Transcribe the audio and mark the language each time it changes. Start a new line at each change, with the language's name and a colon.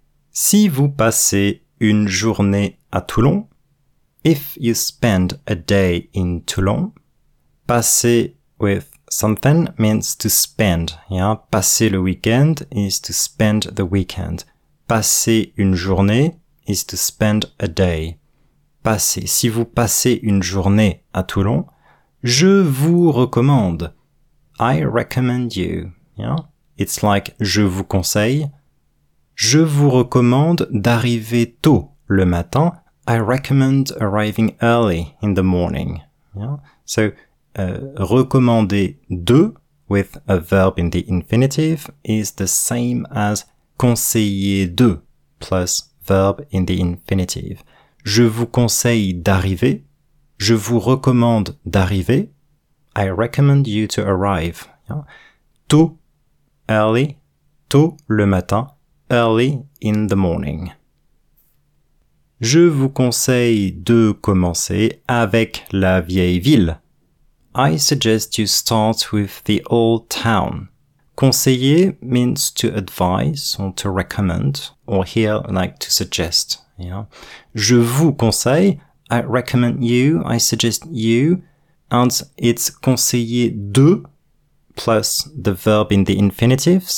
French: Si vous passez une journée à Toulon,
English: if you spend a day in Toulon, passer with something means to spend. Yeah,
French: passer le weekend
English: is to spend the weekend.
French: Passer une journée
English: is to spend a day. Passer.
French: Si vous passez une journée à Toulon, je vous recommande.
English: I recommend you. Yeah? It's like
French: je vous conseille. Je vous recommande d'arriver tôt le matin.
English: I recommend arriving early in the morning. Yeah? So,
French: recommander de
English: with a verb in the infinitive is the same as
French: conseiller de
English: plus verb in the infinitive.
French: Je vous conseille d'arriver. Je vous recommande d'arriver.
English: I recommend you to arrive. Yeah? Tôt, early,
French: tôt le matin,
English: early in the morning.
French: Je vous conseille de commencer avec la vieille ville.
English: I suggest you start with the old town. Conseiller means to advise or to recommend, or here like to suggest. Yeah?
French: Je vous conseille,
English: I recommend you, I suggest you, and it's
French: conseiller de
English: plus the verb in the infinitive.